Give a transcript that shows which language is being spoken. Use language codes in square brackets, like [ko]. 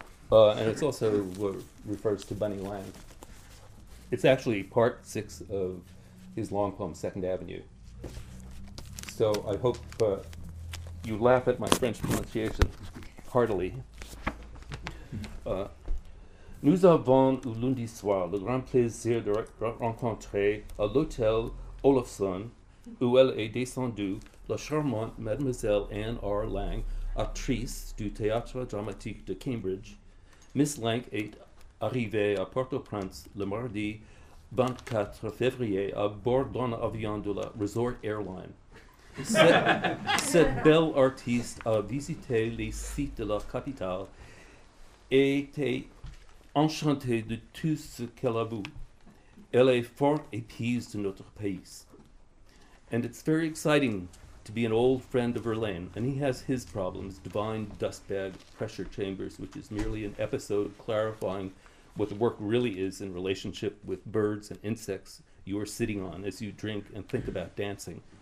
[en] And it's also refers to Bunny Lang. It's actually part six of his long poem, Second Avenue. So I hope you laugh at my French pronunciation heartily. [fr] Nous avons eu lundi soir le grand plaisir de rencontrer à l'hôtel Olofsson, où elle est descendue, la charmante Mademoiselle Anne R. Lang, actrice du Théâtre Dramatique de Cambridge. Miss Lang est arrivée à Port-au-Prince le mardi 24 février à bord d'un avion de la Resort Airline. Cette belle artiste a visité les sites de la capitale et était enchantée de tout ce qu'elle a vu. Elle est fort épise de notre pays. [en] And it's very exciting to be an old friend of Verlaine, and he has his problems, divine dustbag pressure chambers, which is merely an episode clarifying what the work really is in relationship with birds and insects you are sitting on as you drink and think about dancing.